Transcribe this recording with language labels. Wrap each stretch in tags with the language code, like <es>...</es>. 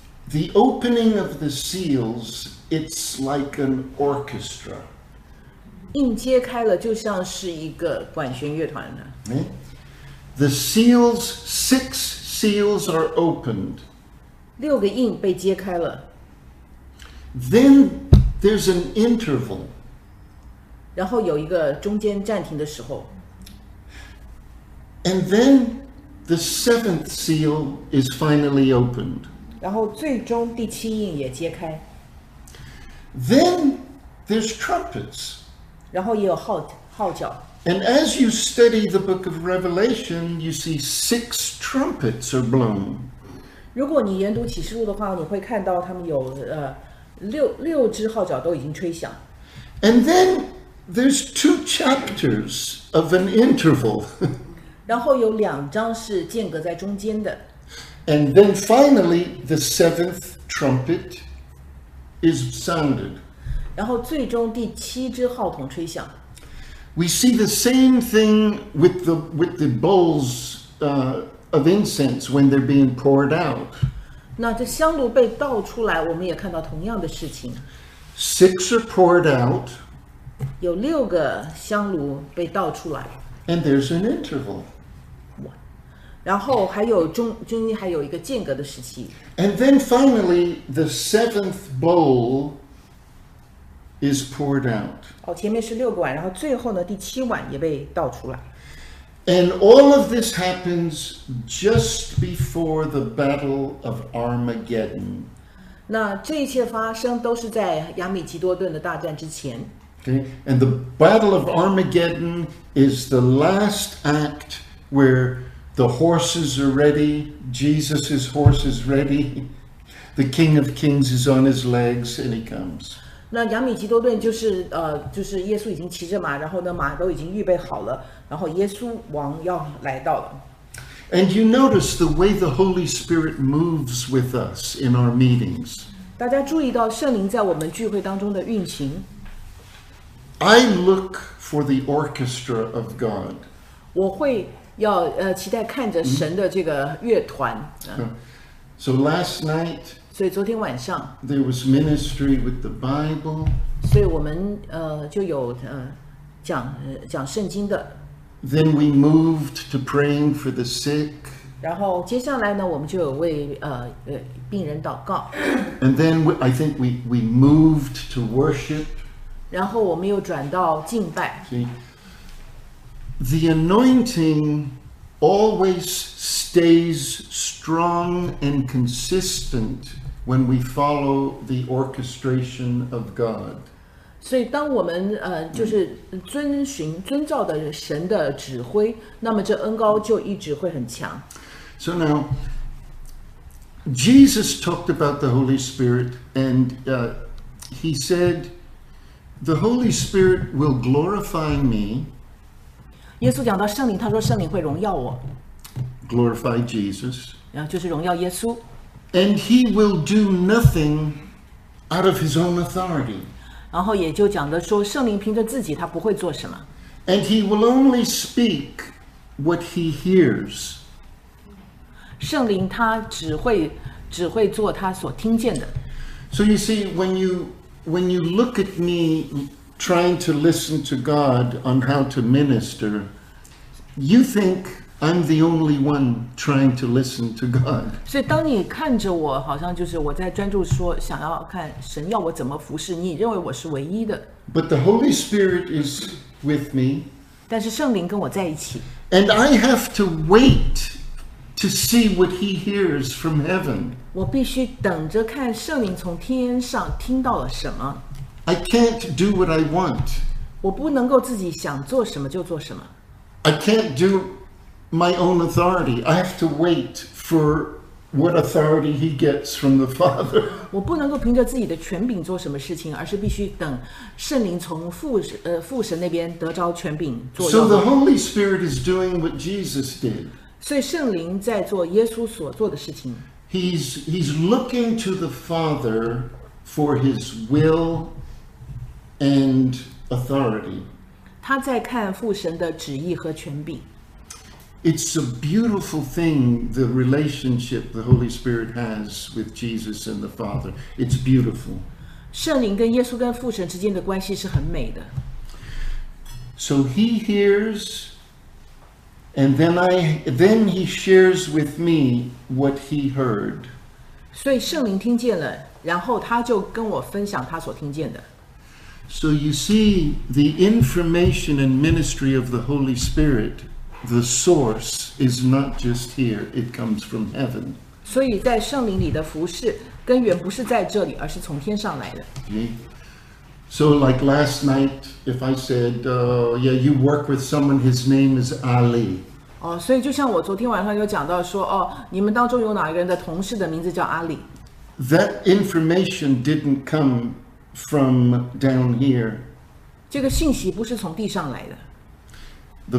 <en>the opening of the seals, it's like an orchestra.</en> <zh>印揭开了就像是一个管弦乐团呢。</zh> <en>The seals, six seals are opened.</en> <zh>六个印被揭开了。</zh> <en>Then there's an interval.</en> <zh>然后有一个中间暂停的时候。</zh> <en>And then the seventh seal is finally opened.</en> <zh>然后最终第七印也揭开。</zh> <en>Then there's trumpets.</en> <zh>然后也有号角。</zh> <en>And as you study the book of Revelation, you see six trumpets are blown.</en> <zh>如果你研读启示录的话，你会看到他们有六只号角都已经吹响。</zh> <en>And then there's two chapters of an interval.</en> <zh>然后有两章是间隔在中间的。</zh> <en>And then finally, the seventh trumpet is sounded.</en> <zh>然后最终第七只号筒吹响。</zh> <en>We see the same thing with the bowls of incense when they're being poured out.</en> <zh>那这香炉被倒出来，我们也看到同样的事情。</zh> <en>Six are poured out.</en> <zh>有六个香炉被倒出来。</zh> <en>And there's an interval.</en> <zh>然后还有中间还有一个间隔的时期。</zh> <en>And then finally, the seventh bowl. Is poured out.</en> <zh>哦，前面是六个碗，然后最后呢，第七碗也被倒出来。</zh> <en>And all of this happens just before the Battle of Armageddon.</en> <zh>那这一切发生都是在亚米吉多顿的大战之前。</zh> <en>Okay. And the Battle of Armageddon is the last act where the horses are ready. Jesus's horse is ready. The King of Kings is on his legs, and he comes.</en> <zh>那亚米吉多顿就是耶稣已经骑着马，然后呢马都已经预备好了，然后耶稣王要来到了。</zh> <en>And you notice the way the Holy Spirit moves with us in our meetings.</en> <zh>大家注意到圣灵在我们聚会当中的运行。</zh> <en>I look for the orchestra of God.</en> <zh>我会要期待看着神的这个乐团。</zh> <en>So last night.</en> <zh>所以昨天晚上</zh> <en>there was ministry with the Bible.</en> <zh>所以我们就有讲圣经的。</zh> <en>Then we moved to praying for the sick.</en> <zh>然后接下来呢，我们就有为病人祷告。</zh> <en>And then I think we moved to worship.</en> <zh>然后我们又转到敬拜。</zh> <en>See, the anointing always stays strong and consistent. When we follow the orchestration of God.</en> <zh>所以当我们就是遵照的神的指挥，那么这恩膏就一直会很强。</zh> <en>So now, Jesus talked about the Holy Spirit, and he said, the Holy Spirit will glorify me.</en> <zh>耶稣讲到圣灵，他说圣灵会荣耀我。</zh> <en>Glorify Jesus.</en> <zh>然后就是荣耀耶稣。</zh> <en>And he will do nothing out of his own authority.</en> <zh>然后也就讲的说圣灵凭着自己他不会做什么。</zh> <en>And he will only speak what he hears.</en> <zh>圣灵他只会做他所听见的。</zh> <en>So you see, when you look at me trying to listen to God on how to minister, you think,I'm the only one trying to listen to God.</en> <zh>所以当你看着我，好像就是我在专注说，想要看神要我怎么服侍，你认为我是唯一的。</zh> <en>But the Holy Spirit is with me.</en> <zh>但是圣灵跟我在一起。</zh> <en>And I have to wait to see what he hears from heaven.</en> <zh>我必须等着看圣灵从天上听到了什么。</zh> <en>I can't do what I want.</en> <zh>我不能够自己想做什么就做什么。</zh> <en>I can't do...My own authority. I have to wait for what authority he gets from the Father.</en> <zh>我不能够凭着自己的权柄做什么事情，而是必须等圣灵从父神那边得着权柄做。</zh> <en>So the Holy Spirit is doing what Jesus did.</en> <zh>所以圣灵在做耶稣所做的事情。</zh> <en>He's looking to the Father for his will and authority.</en> <zh>他在看父神的旨意和权柄。</zh> <en>It's a beautiful thing, the relationship the Holy Spirit has with Jesus and the Father. It's beautiful.</en> <zh>圣灵跟耶稣跟父神之间的关系是很美的。</zh> <en>So he hears, and then he shares with me what he heard.</en> <zh>所以圣灵听见了，然后他就跟我分享他所听见的。</zh> <en>So you see, the information and ministry of the Holy Spirit, the source is not just here, it comes from heaven.</en> <zh>所以在圣灵里的服事根源不是在这里，而是从天上来的。</zh> <en>So like last night, if I said, yeah, you work with someone, his name is Ali.</en> <zh>哦，所以就像我昨天晚上有讲到说，哦，你们当中有哪一个人的同事的名字叫阿里。</zh> <en>That information didn't come from down here.</en> <zh>这个信息不是从地上来的。</zh>